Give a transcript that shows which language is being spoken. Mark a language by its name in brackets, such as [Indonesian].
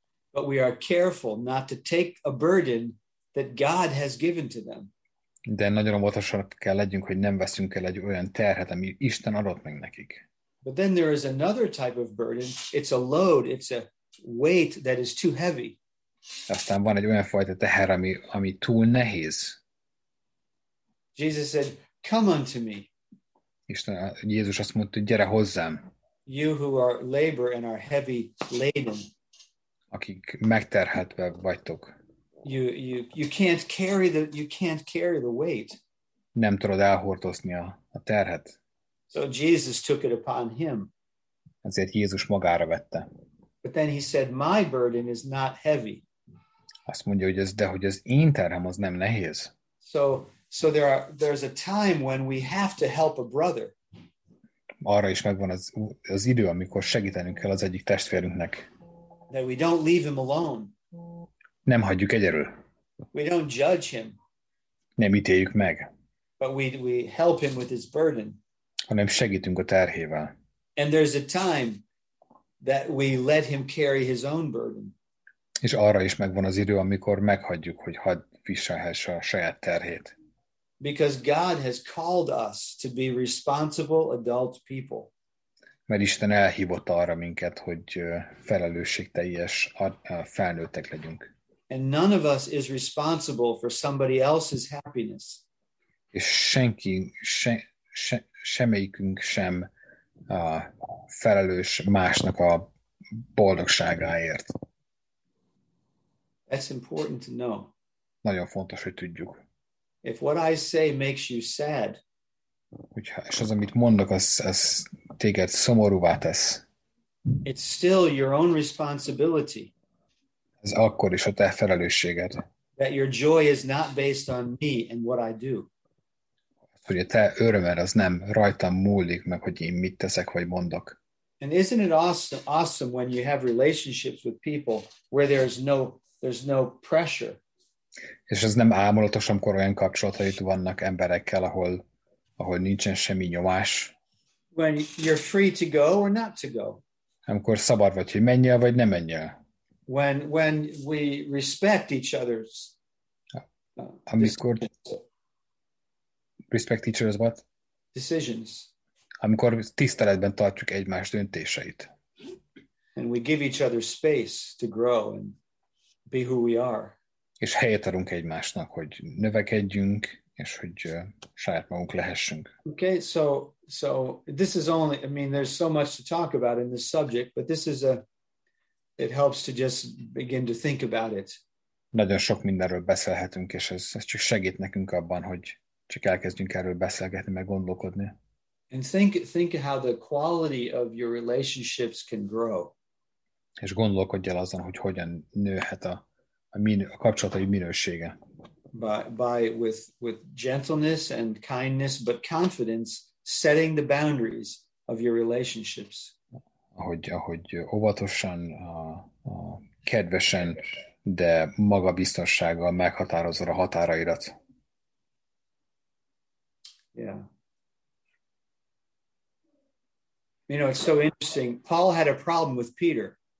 [English] But we are careful not to take a burden that God has given to them. [Hungarian] De nagyon óvatosan kell legyünk, hogy nem veszünk el egy olyan terhet, ami Isten adott meg nekik. [English] But then there is another type of burden. It's a load. It's a weight that is too heavy. [Hungarian] Aztán van egy olyan fajta teher, ami túl nehéz. [English] Jesus said, "Come unto me." [Hungarian] Jézus azt mondta, gyere hozzám. [English] You who are labor and are heavy laden. [Hungarian] Akik megterhetve vagytok. [English] You can't carry the weight. [Hungarian] Nem tudod elhordozni a terhet. [English] So Jesus took it upon him. [Hungarian] Ezért Jézus magára vette. [English] But then he said, "My burden is not heavy." [Hungarian] Azt mondja, hogy ez én terhem az nem nehéz. [English] So there's a time when we have to help a brother. [Hungarian] Arra is megvan az idő, amikor segítenünk kell az egyik testvérünknek. [English] That we don't leave him alone. [Hungarian] Nem hagyjuk egyedül. [English] We don't judge him. [Hungarian] Nem ítéljük meg. [English] But we help him with his burden. [Hungarian] Hanem segítünk a terhével. [English] And there's a time that we let him carry his own burden. [Hungarian] És arra is megvan az idő, amikor meghagyjuk, hogy hadd viselhesse a saját terhét. [English] Because God has called us to be responsible adult people. [Hungarian] Mert Isten elhívott arra minket, hogy felelősségteljes felnőttek legyünk. [English] And none of us is responsible for somebody else's happiness. [Hungarian] És senki, semmelyikünk sem felelős másnak a boldogságáért. [English] That's important to know. [Hungarian] Nagyon fontos, hogy tudjuk. [English] If what I say makes you sad, [Hungarian] és az, amit mondok, az téged szomorúvá tesz. [English] It's still your own responsibility. [Hungarian] Ez akkor is a te felelősséged. [English] That your joy is not based on me and what I do. [Hungarian] Hogy a te örömed az nem rajtam múlik, meg hogy én mit teszek, vagy mondok. [English] And isn't it awesome when you have relationships with people where there's no pressure. [Hungarian] És ez nem álmodatos, amikor olyan kapcsolataid vannak emberekkel, ahol nincsen semmi nyomás. [English] When you're free to go or not to go. [Hungarian] Amikor szabad vagy, hogy menj el, vagy ne menj el. [English] When we respect each other's. [Hungarian] Amikor [English] respect each other's what? Decisions. [Hungarian] Amikor tiszteletben tartjuk egymás döntéseit. [English] And we give each other space to grow and be who we are. [Hungarian] És helyet adunk egymásnak, hogy növekedjünk, és hogy saját magunk lehessünk. [English] Okay, so this is only, I mean, there's so much to talk about in this subject, but this is it helps to just begin to think about it. [Hungarian] Nagyon sok mindenről beszélhetünk, és ez csak segít nekünk abban, hogy csak elkezdjünk erről beszélgetni, meg gondolkodni. [English] And think how the quality of your relationships can grow. [Hungarian] És gondolkodj el azon, hogy hogyan nőhet a kapcsolatai minősége. [English] With gentleness and kindness, but confidence, setting the boundaries of your relationships. [Hungarian] Ahogy óvatosan, kedvesen, de magabiztossággal meghatározod a határaidat. [English] Yeah. You know, it's so interesting. Paul had a problem with Peter.